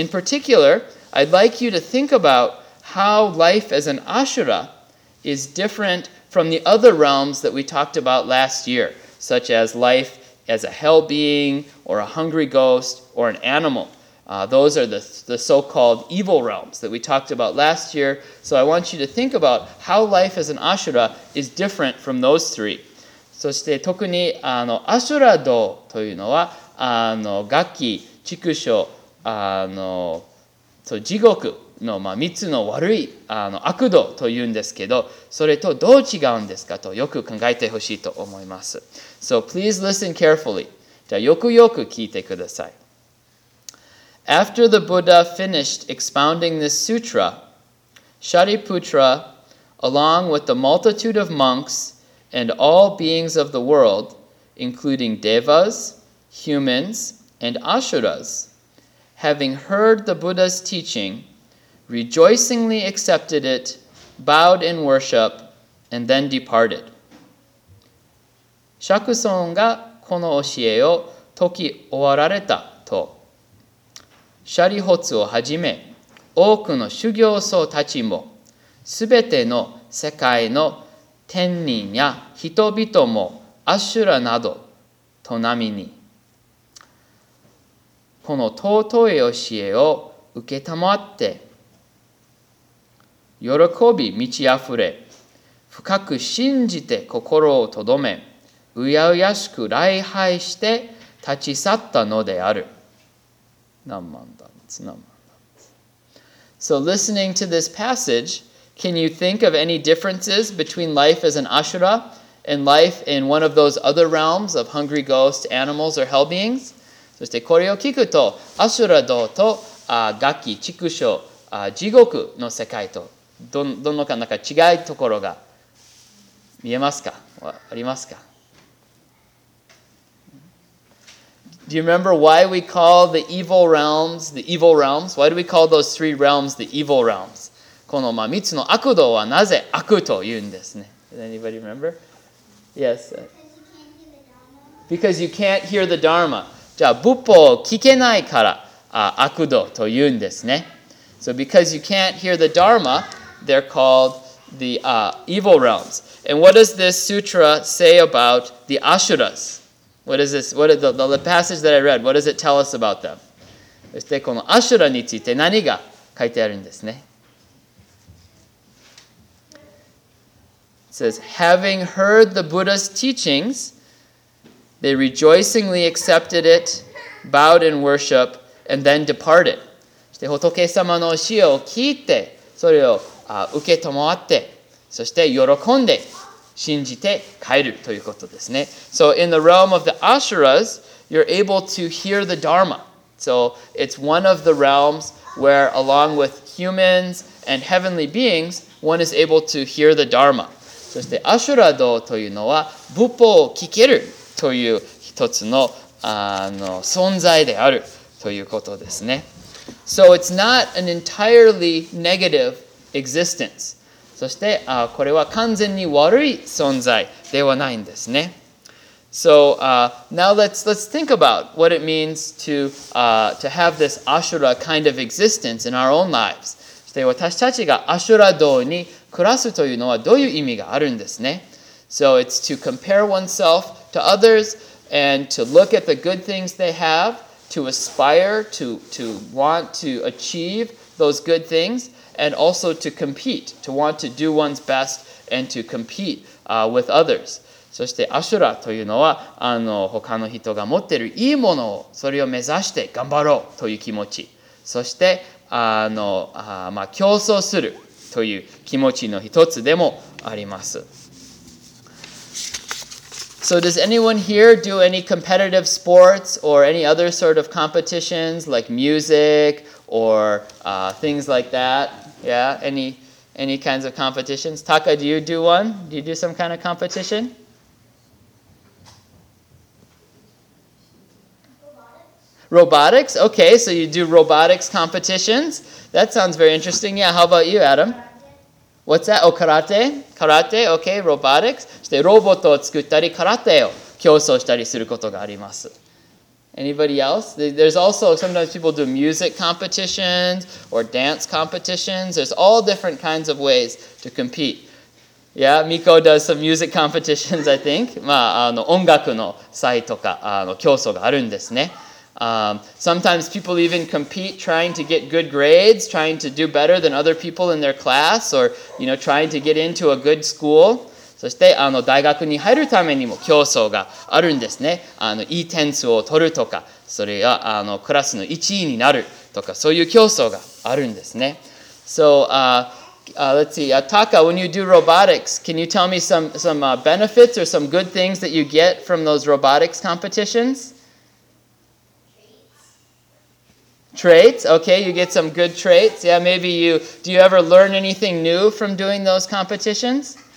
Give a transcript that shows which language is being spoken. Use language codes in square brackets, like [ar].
[en] In particular, I'd like you to think about how life as an Asura is different from the other realms that we talked about last year, such as life as a hell being or a hungry ghost or an animal. Those are the so-called evil realms that we talked about last year. So I want you to think about how life as an Asura is different from those three. [ja] そして特にあのアシュラ道というのはあのガキ、畜生、あのそう地獄の、まあ、3つの悪いあの悪道というんですけど、それとどう違うんですかとよく考えてほしいと思います。 [en] So please listen carefully. [ja] じゃあよくよく聞いてください。 [en] After the Buddha finished expounding this sutra, Shariputra, along with the multitude of monks,and all beings of the world, including devas, humans, and asuras, having heard the Buddha's teaching, rejoicingly accepted it, bowed in worship, and then departed. [ja] Shakusong がこの教えを説き終わられたと、シャリホツをはじめ、多くの修行僧たちも、すべての世界の天人や人々もアシュラなどと並みにこの尊い教えを受けたまって喜び満ちあふれ深く信じて心をとどめうやうやしく礼拝して立ち去ったのである何万だ何万だ [en] So listening to this passageCan you think of any differences between life as an Asura and life in one of those other realms of hungry ghosts, animals, or hell beings? [ja] そしてこれを聞くと、アシュラ道とガキ、畜生、地獄の世界とどのかなんか違いところが見えますか？ありますか？ [en] Do you remember why we call the evil realms the evil realms? Why do we call those three realms the evil realms? [ja] この三つの悪道はなぜ悪と言うんですね。 [en] Does anybody remember? Yes. Because you can't hear the Dharma. [ja] じゃあ、仏法を聞けないから悪道と言うんですね。 [en] So because you can't hear the Dharma, they're called the evil realms. And what does this sutra say about the asuras? What is this? What is the passage that I read? What does it tell us about them? [ja] そしてこのアシュラについて何が書いてあるんですね。 [en] It says, having heard the Buddha's teachings, they rejoicingly accepted it, bowed in worship, and then departed. [ja] そして仏様の教えを聞いて、それを受け止まって、そして喜んで信じて帰るということですね。 [en] So in the realm of the Asuras, you're able to hear the Dharma. So it's one of the realms where along with humans and heavenly beings, one is able to hear the Dharma. [ja] そしてアシュラ道というのは仏法を聞けるという一つ の, あの存在であるということですね。 [en] So it's not an entirely negative existence. [ja] そしてこれは完全に悪い存在ではないんですね。 [en] So now let's think about what it means to have this Asura kind of existence in our own lives. [ja] そして私たちがアシュラ道に暮らすというのはどういう意味があるんですね? [en] So it's to compare oneself to others and to look at the good things they have, to aspire, to want to achieve those good things, and also to compete, to want to do one's best and to compete with others. [ja] そしてアシュラというのは他の人が持っているいいものをそれを目指して頑張ろうという気持ち。そして競争する。という気持ちの一つでもあります。 [en] So does anyone here do any competitive sports or any other sort of competitions like music or things like that? Yeah, any kinds of competitions? Taka, do you do one? Do you do some kind of competition? Robotics? Okay, so you do robotics competitions. That sounds very interesting. Yeah, how about you, Adam? What's that? Oh, karate? Karate? Okay, robotics. [ja] そしてロボットを作ったり、karateを競争したりすることがあります。 [en] Anybody else? There's also sometimes people do music competitions or dance competitions. There's all different kinds of ways to compete. Yeah, Miko does some music competitions, I think. [ja] まあ、音楽の祭とか、競争があるんですね。 [en] Sometimes people even compete trying to get good grades, trying to do better than other people in their class, or you know, trying to get into a good school. [ja] そして大学に入るためにも競争があるんですね。いい点数を取るとか、それはクラスの1位になるとか、そういう競争があるんですね。 [en] So, let's see, Taka, when you do robotics, can you tell me some benefits or some good things that you get from those robotics competitions? Traits, okay, you get some good traits. Yeah, maybe you, do you ever learn anything new from doing those competitions?